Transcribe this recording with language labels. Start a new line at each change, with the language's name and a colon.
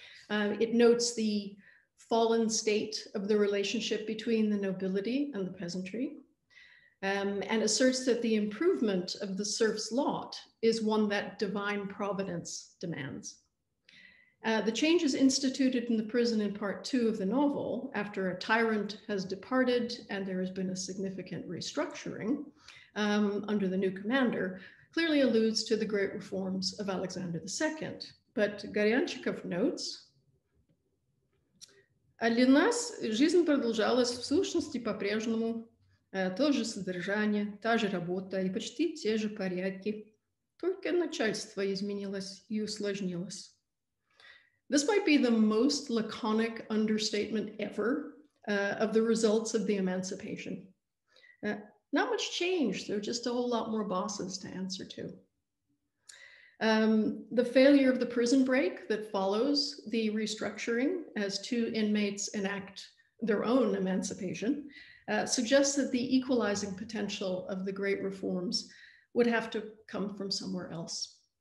English: It notes the fallen state of the relationship between the nobility and the peasantry, and asserts that the improvement of the serfs' lot is one that divine providence demands. The changes instituted in the prison in part two of the novel, after a tyrant has departed and there has been a significant restructuring under the new commander, clearly alludes to the great reforms of Alexander II. But Garyanchikov notes,
Russian: "А для нас жизнь продолжалась в сущности по-прежнему, то же содержание, та же работа и почти те же порядки, только начальство изменилось и усложнилось."
English: This might be the most laconic understatement ever of the results of the emancipation. Not much change, there are just a whole lot more bosses to answer to. The failure of the prison break that follows the restructuring as two inmates enact their own emancipation suggests that the equalizing potential of the great reforms would have to come from somewhere else.